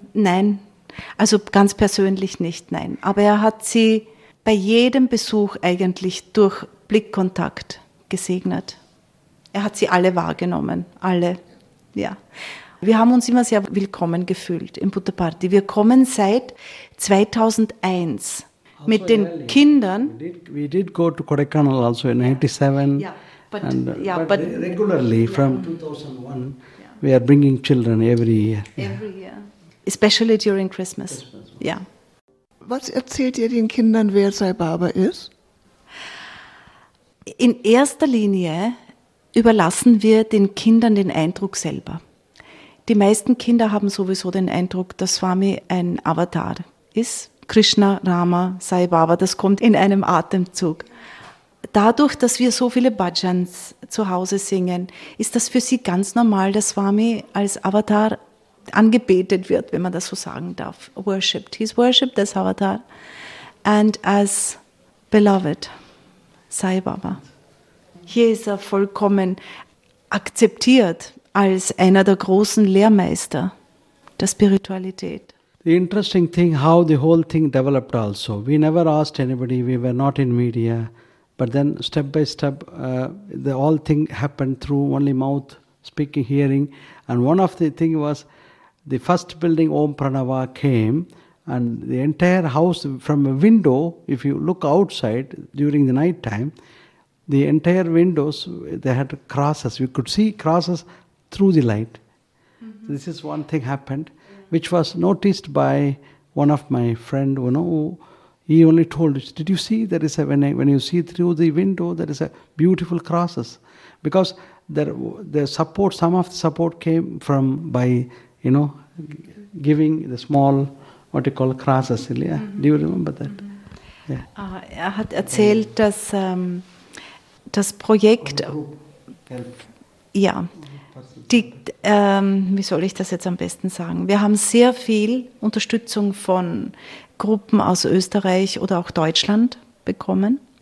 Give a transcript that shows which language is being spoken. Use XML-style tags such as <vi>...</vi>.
<de>Nein, also ganz persönlich nicht, nein. Aber er hat sie bei jedem Besuch eigentlich durch Blickkontakt gesegnet. Er hat sie alle wahrgenommen, alle, ja. Wir haben uns immer sehr willkommen gefühlt im Buddha Party. Wir kommen seit 2001 mit den Kindern.</de> <en>We did go to Kodaikanal also in 97. Yeah, but regularly from 2001, yeah. We are bringing children every year. Every year, especially during Christmas.</en> <de>Ja. Yeah. Was erzählt ihr den Kindern, wer Sai Baba ist? In erster Linie überlassen wir den Kindern den Eindruck selber. Die meisten Kinder haben sowieso den Eindruck, dass Swami ein Avatar ist. Krishna, Rama, Sai Baba, das kommt in einem Atemzug. Dadurch, dass wir so viele Bhajans zu Hause singen, ist das für Sie ganz normal, dass Swami als Avatar angebetet wird, wenn man das so sagen darf.</de> <en>Worshipped. He's worshipped as Avatar and as beloved Sai Baba.</en> <de>Hier ist er vollkommen akzeptiert als einer der großen Lehrmeister der Spiritualität.</de> <en>The interesting thing, how the whole thing developed also. We never asked anybody, we were not in media. But then step by step, the all thing happened through only mouth, speaking, hearing. And one of the thing was, the first building, Om Pranava, came. And the entire house, from a window, if you look outside during the night time, the entire windows, they had crosses. We could see crosses through the light. Mm-hmm. So this is one thing happened, which was noticed by one of my friend, you know, he only told us, did you see, there is a, when you see through the window, there is a beautiful crosses. Because the support, some of the support came from, by, you know, giving the small, what you call, crosses. Yeah? Mm-hmm. Do you remember that? Mm-hmm. Yeah.</en> <de>Er hat erzählt, dass das Projekt, ja, wie soll ich das jetzt am besten sagen? Wir haben sehr viel Unterstützung von Gruppen aus Österreich oder auch Deutschland bekommen.</de>